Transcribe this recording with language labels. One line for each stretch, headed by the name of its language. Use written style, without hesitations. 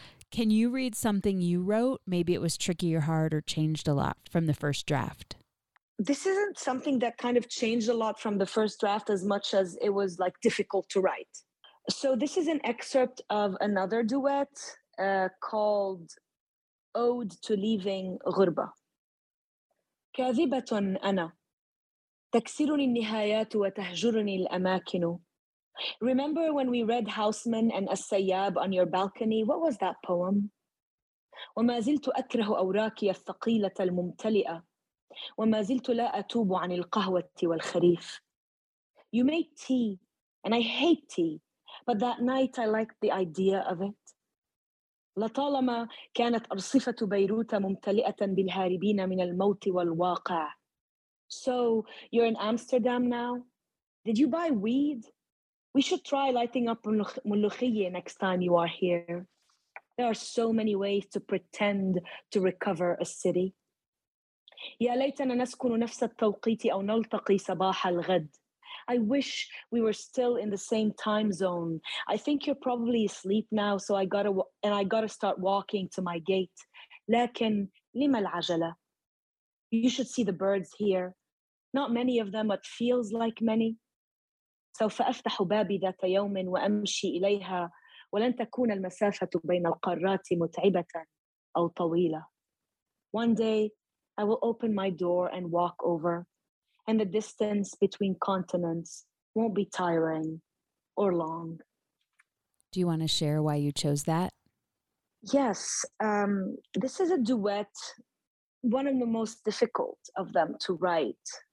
English: Can you read something you wrote? Maybe it was tricky or hard or changed a lot from the first draft. This isn't something that kind of changed a lot from the first draft as much as it was like difficult to write. So this is an excerpt of another duet called Ode to Leaving Ghurba.
Arabic: كاذبة أنا تكسرني النهايات وتهجرني الأماكن.
English: Remember when we read Houseman and As-Sayyab on your balcony? What was that poem?
Arabic: وما زلت أكره أوراقي الثقيلة الممتلئة وما زلت لا أتوب عن القهوة والخريف.
English: You make tea and I hate tea, but that night I liked the idea of it.
Arabic: لطالما كانت أرصفة بيروت ممتلئة بالهاربين من الموت والواقع.
English: So you're in Amsterdam now? Did you buy weed? We should try lighting up ملوخية next time you are here. There are so many ways to pretend to recover a city.
Arabic: يا ليتنا نسكن نفس التوقيت أو نلتقي صباح الغد.
English: I wish we were still in the same time zone. I think you're probably asleep now, so I gotta start walking to my gate.
Arabic: لكن لما العجلة?
English: You should see the birds here. Not many of them, but feels like many.
Arabic: سوف أفتح بابي ذات يوم وأمشي إليها ولن تكون المسافة بين القارات متعبة أو طويلة.
English: One day, I will open my door and walk over, and the distance between continents won't be tiring or long. Do you want to share why you chose that? Yes. This is a duet, one of the most difficult of them to write.